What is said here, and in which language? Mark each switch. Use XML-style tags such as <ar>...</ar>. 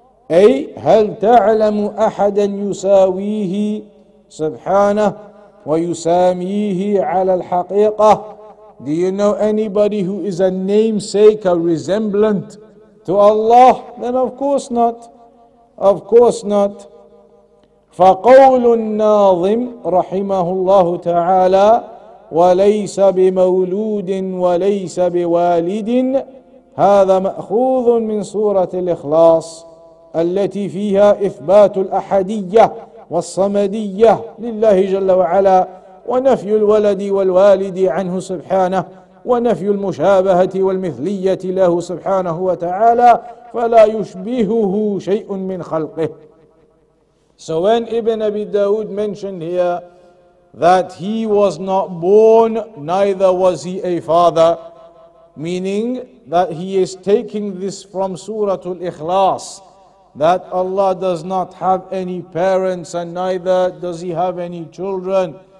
<ar>أي هل تعلم أحدا يساويه سبحانه ويساميه على الحقيقة.</ar> <en>Do you know anybody who is a namesake, a resemblant to Allah? Then of course not. Of course not.</en> <ar>فقول الناظم رحمه الله تعالى وليس بمولود وليس بوالد هذا مأخوذ من سورة الإخلاص التي فيها إثبات الأحدية والصمدية لله جل وعلا ونفي الولد والوالد عنه سبحانه ونفي المشابهة والمثلية له سبحانه وتعالى فلا يشبهه شيء من خلقه.</ar> <en>So when Ibn Abi Dawood mentioned here that he was not born, neither was he a father, meaning that he is taking this from Surah Al-Ikhlas, that Allah does not have any parents and neither does he have any children.</en>